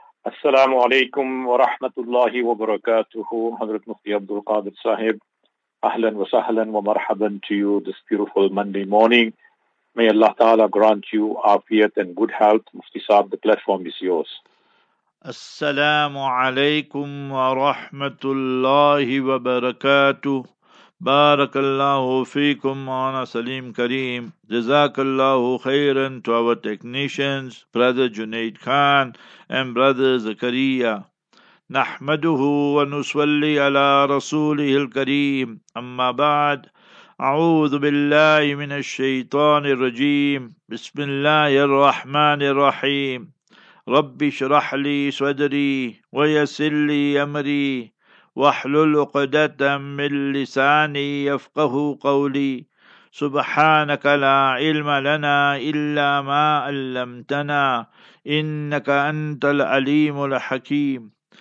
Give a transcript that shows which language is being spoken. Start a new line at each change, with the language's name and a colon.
Arabic: السلام عليكم ورحمة الله وبركاته. حضرت مفتي عبد القادر صاحب, أهلا وسهلا ومرحبا
English: to you this beautiful Monday morning. May Allah Ta'ala grant you afiyat and good health. Mufti Saab, the platform is yours.
Arabic: السلام عليكم ورحمة الله وبركاته. بارك الله فيكم مولانا سليم كريم. جزاك الله خيرا
English: to our technicians, brother Junaid Khan and brother Zakaria.
Arabic: نحمده ونصلي على رسوله الكريم. أما بعد, أعوذ بالله من الشيطان الرجيم. بسم الله الرحمن الرحيم. رب اشرح لي صدري ويسر لي أمري واحلل عقدة من لساني يفقه قولي سبحانك لا علم لنا إلا ما علمتنا إنك أنت العليم الحكيم.